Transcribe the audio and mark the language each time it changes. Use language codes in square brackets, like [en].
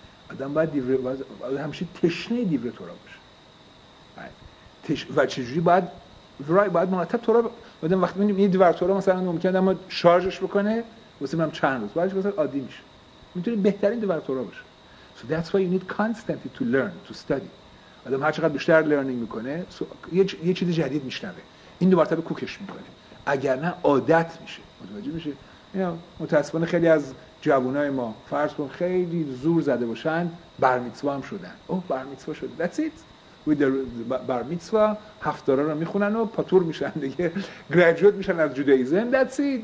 [fa] آدم باید دیوره همیشه تشنه دیوتورا باشه. و چجوری باید باید مرتب تورا بعدم وقتی میگیم این دیوار تورا مثلا ممکن اما شارژش بکنه واسه من چند روز بعدش مثلا عادی میشه، میتونه بهترین دیوار تورا باشه. [en] So that's why you need constantly to learn, to study. [fa] آدم هر چقدر بیشتر لرنینگ میکنه یه چیز جدید میشنوه، این دوباره به کوکش میکنه، اگر نه عادت میشه. متوجه میشه؟ اینا متاسفانه خیلی از جوانای ما فرض کن خیلی زور زده باشن بر میتسوا هم شدن. اوه بر میتسوا شد، [en] that's it. [fa] وی در بر میتسوا هفتارا رو میخونن و پاتور میشن دیگه، graduate میشن از جودیزم، that's it.